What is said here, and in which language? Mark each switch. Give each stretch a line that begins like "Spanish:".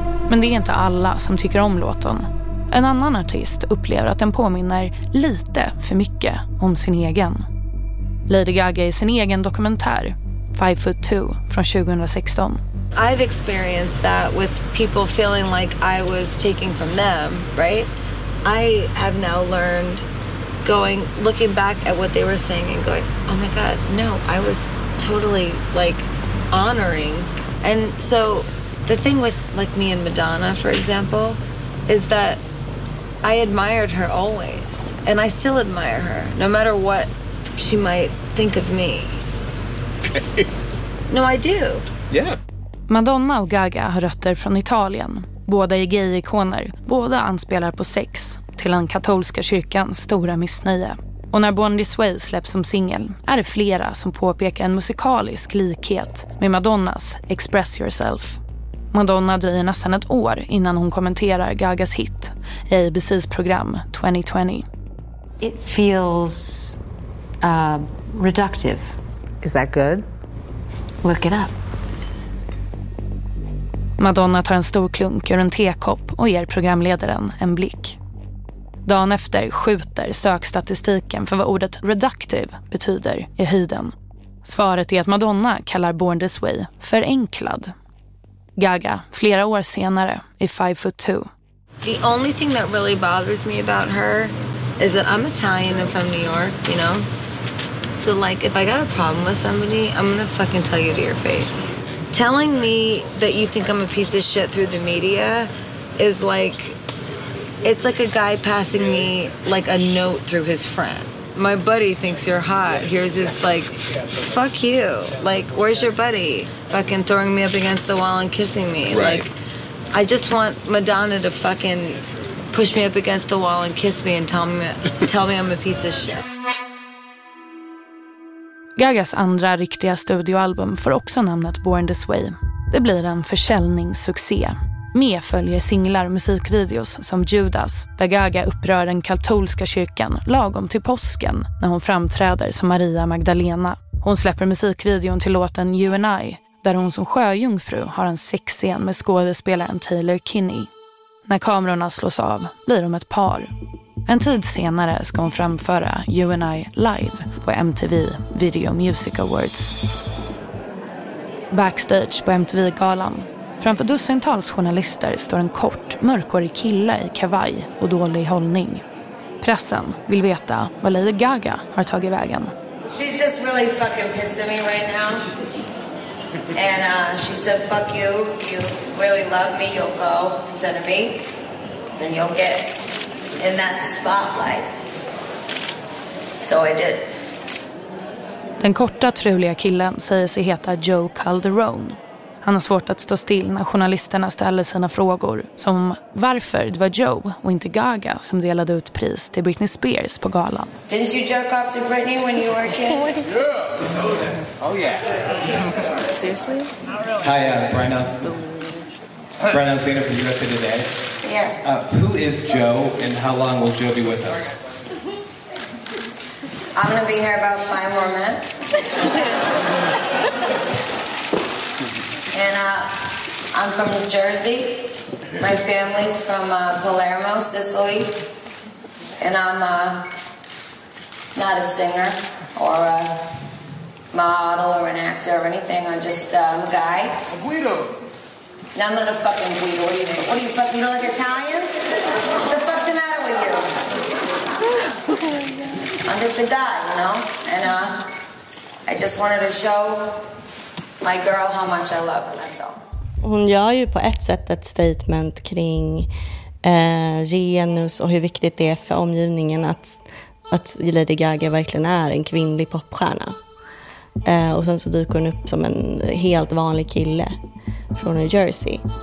Swedish: Men det är inte alla som tycker om låten. En annan artist upplever att den påminner lite för mycket om sin egen. Lady Gaga i sin egen dokumentär 5'2" från 2016.
English: I've experienced that with people feeling like I was taking from them, right? I have now learned looking back at what they were saying and going, oh my god, no, I was totally like honoring. And so the thing with like me and Madonna, for example, is that I admired her always and I still admire her no matter what she might think of me. No, I do. Yeah.
Swedish: Madonna och Gaga har rötter från Italien. Båda är gay-ikoner. Båda anspelar på sex till den katolska kyrkans stora missnöje. Och när Born This Way släpps som singel är det flera som påpekar en musikalisk likhet med Madonnas Express Yourself. Madonna dröjer nästan ett år innan hon kommenterar Gagas hit i ABC:s program 2020.
English: It feels reductive. Is that good? Look it up.
Swedish: Madonna tar en stor klunk ur en tekopp och ger programledaren en blick. Dagen efter skjuter sökstatistiken för vad ordet reductive betyder i höjden. Svaret är att Madonna kallar Born This Way förenklad. Gaga, flera år senare, i 5'2".
English: The only thing that really bothers me about her is that I'm Italian and from New York, you know? So like, if I got a problem with somebody, I'm gonna fucking tell you to your face. Telling me that you think I'm a piece of shit through the media is like, it's like a guy passing me like a note through his friend. My buddy thinks you're hot. Here's his like, fuck you. Like, where's your buddy? Fucking throwing me up against the wall and kissing me. Right. Like, I just want Madonna to fucking push me up against the wall and kiss me and tell me I'm a piece of shit.
Swedish: Gagas andra riktiga studioalbum får också namnet Born This Way. Det blir en försäljningssuccé. Med följer singlar och musikvideos som Judas, där Gaga upprör den katolska kyrkan lagom till påsken när hon framträder som Maria Magdalena. Hon släpper musikvideon till låten You and I, där hon som sjöjungfru har en sexscen med skådespelaren Taylor Kinney. När kamerorna slås av blir de ett par. En tid senare ska hon framföra You and I live på MTV Video Music Awards. Backstage på MTV-galan. Framför dussintals journalister står en kort, mörkårig kille i kavaj och dålig hållning. Pressen vill veta vad Lady Gaga har tagit vägen.
English: She's just really fucking pissing me right now. And she said, fuck you. If you really love me, you'll go instead of me. And you'll get in that spotlight. So I did.
Swedish: Den korta, truliga killen säger sig heta Joe Calderone. Han har svårt att stå still när journalisterna ställer sina frågor, som varför det var Joe och inte Gaga som delade ut pris till Britney Spears på galan.
English: Didn't you jerk off to Britney when you were a kid? Yeah. Oh yeah. Seriously? Hi, Brian. Brian Alexander from USA Today. Yeah. Who is Joe and how long will Joe be with us? I'm gonna be here about 5 more minutes. And I'm from New Jersey. My family's from Palermo, Sicily. And I'm not a singer or a model or an actor or anything. I'm just a guy. Guido. Now I'm not a fucking weed, what do you mean? What do you fuck, you don't like Italians? What the fuck's the matter with you? I'm just a guy, you know? And I just wanted to show my girl how much I love her, that's all.
Swedish: Hon gör ju på ett sätt ett statement kring genus och hur viktigt det är för omgivningen att Lady Gaga verkligen är en kvinnlig popstjärna. Och sen så dyker hon upp som en helt vanlig kille från New Jersey.